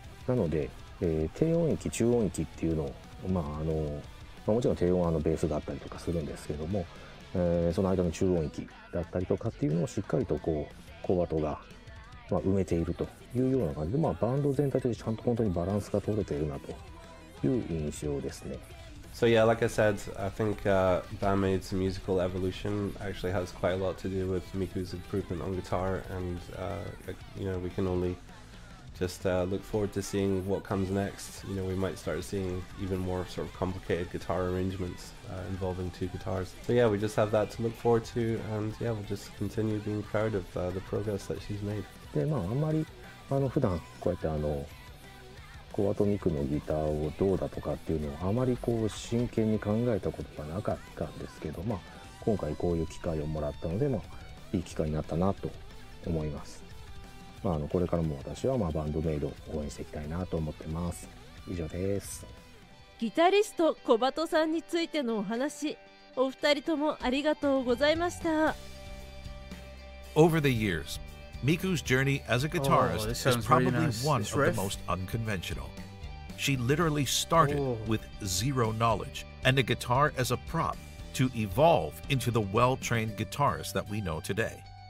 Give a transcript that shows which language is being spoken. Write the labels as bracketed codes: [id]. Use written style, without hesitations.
[ja] なので、低音域中音域っていうのを、もちろん低音はベースがあったりとかするんですけども、その間の中音域だったりとかっていうのをしっかりとこうコバトが埋めているというような感じで、バンド全体でちゃんと本当にバランスが取れているなという印象ですね。 [en] So yeah, like I said, I think BANDMAID's musical evolution actually has quite a lot to do with Miku's improvement on guitar, and we can only just just look forward to seeing what comes next. You know, we might start seeing even more sort of complicated guitar arrangements involving two guitars. So yeah, we just have that to look forward to, and yeah, we'll just continue being proud of the progress that she's made. [ja] で、まあ、あんまり、あの、普段こうやってあの、コバトミクのギターをどうだとかっていうのをあまりこう真剣に考えたことがなかったんですけど、まあ、今回こういう機会をもらったので、まあ、いい機会になったなと思います。まあ、あのこれからも私はまあバンドメイドを応援していきたいなと思ってます。以上です。ギタリストコバトさんについてのお話、お二人ともありがとうございました。 [en] Over the years, Miku's journey as a guitarist is probably one of the most unconventional. She literally started with zero knowledge and a guitar as a prop to evolve into the well-trained guitarist that we know today.